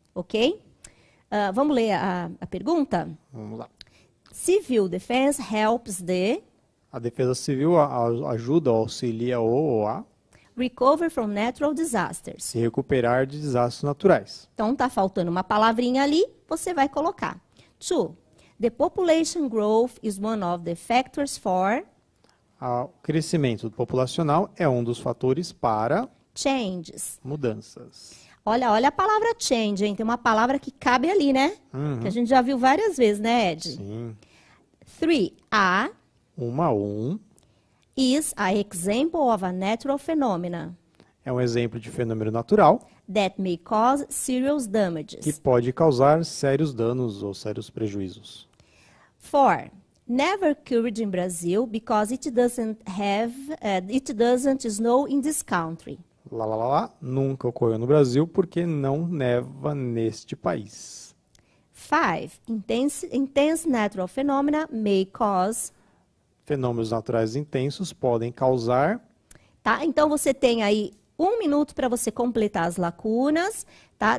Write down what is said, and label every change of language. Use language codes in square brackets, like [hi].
[pt] Ok? Vamos ler a pergunta? Vamos lá. [en] Civil defense helps the [pt] A defesa civil ajuda, auxilia ou a [en] recover from natural disasters. [pt] se recuperar de desastres naturais. Então, está faltando uma palavrinha ali, você vai colocar. [en] Two, the population growth is one of the factors for [pt] O crescimento populacional é um dos fatores para [en] changes. [pt] mudanças. Olha, olha a palavra change, hein? Tem uma palavra que cabe ali, né? Que a gente já viu várias vezes, né, Ed? Sim. [en] Three, a [pt] Uma a um. [en] is a example of a natural phenomena [pt] É um exemplo de fenômeno natural [en] that may cause serious [pt] que [en] damages. [pt] pode causar sérios danos ou sérios prejuízos. 4. [en] Never occurred in Brazil because it doesn't snow in this country. [pt] lá, nunca ocorreu no Brasil porque não neva neste país. [en] Five, intense natural phenomena may cause. [pt] Fenômenos naturais intensos podem causar. Tá? Então você tem aí 1 minuto para você completar as lacunas, tá?